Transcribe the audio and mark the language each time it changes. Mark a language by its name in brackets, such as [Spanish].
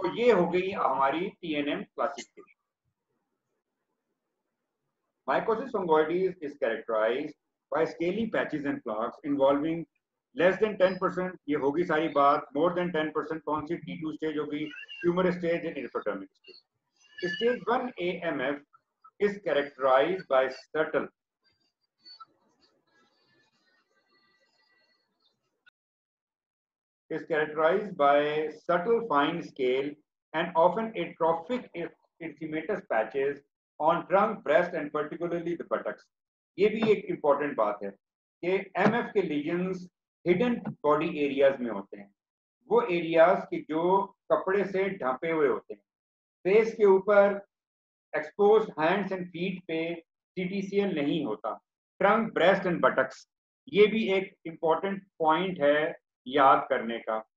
[Hindi] तो ये हो गई हमारी TNM classification. [English] mycosis fungoides is characterised by scaly patches and plaques involving less than 10%, [Hindi] ये होगी सारी बात, [English] More than 10% कौन सी T2 stage होगी, tumour stage and erythrodermic stage. Stage 1A MF is characterized by subtle is characterized by subtle fine scale and often atrophic erythematous patches on trunk, breast and particularly the buttocks. [Hindi] ये भी एक important बात है कि MF के lesions hidden body areas में होते हैं, वो areas कि जो कपड़े से ढंपे हुए होते हैं, face के ऊपर exposed hands and feet पे CTCL नहीं होता, [English] trunk, breast and buttocks, [Hindi] ये भी एक important point है याद करने का।